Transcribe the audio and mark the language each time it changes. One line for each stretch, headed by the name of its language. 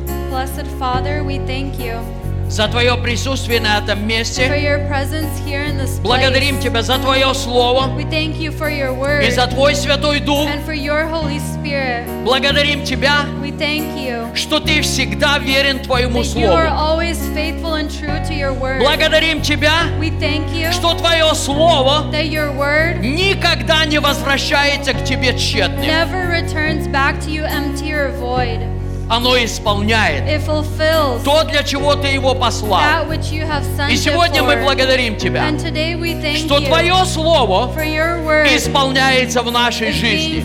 English: Blessed Father, we thank you.
Russian: За Твое присутствие на этом месте.
English: For your presence here in this place.
Russian: Благодарим Тебя за Твое Слово.
English: We thank you for your word.
Russian: И за Твой Святой Дух.
English: And for your Holy Spirit.
Russian: Благодарим Тебя,
English: we thank you,
Russian: что Ты всегда верен Твоему
English: that
Russian: Слову.
English: You are always faithful and true to your word.
Russian: Благодарим Тебя,
English: we thank you,
Russian: что Твое Слово
English: that your word
Russian: никогда не возвращается к Тебе тщетным.
English: Never returns back to you empty or void.
Russian: Оно исполняет то, для чего Ты его послал. И сегодня мы благодарим Тебя, что Твое Слово исполняется в нашей жизни.